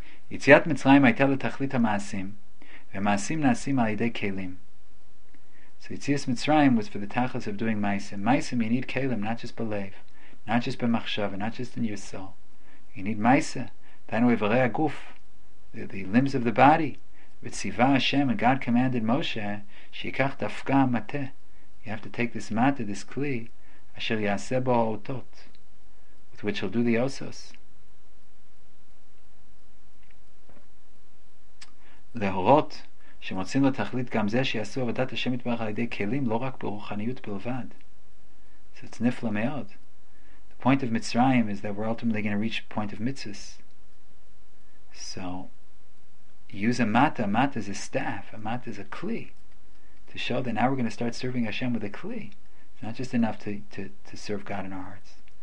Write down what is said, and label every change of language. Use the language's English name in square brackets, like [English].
[Hebrew] יציאת מצרים הייתה לתכלית המעשים, ומעשים נעשים על ידי כלים. [English] So יציאת מצרים was for the tachlis of doing ma'asim. Ma'asim, you need kelim, not just b'lev, not just b'machshav, not just in your soul. You need ma'asim. [Hebrew] Tainu evarei haguf, [English] the limbs of the body. [Hebrew] V'tziva Hashem, [English] and God commanded Moshe, [Hebrew] shikach dafka mate. [English] You have to take this mate, this kli, [Hebrew] asher yaseh bo ha'otot, [English] with which he'll do the osos. [Hebrew] להורות שמוצאים לו תכלית גם זה שיעשו עבודת השם יתברך על ידי כלים, לא רק ברוחניות בלבד. [English] So it's nifla meod. The point of Mitzrayim is that we're ultimately going to reach the point of mitzvahs. So use a mata. A mata is a staff. A mata is a kli. To show that now we're going to start serving Hashem with a kli. It's not just enough to serve God in our hearts.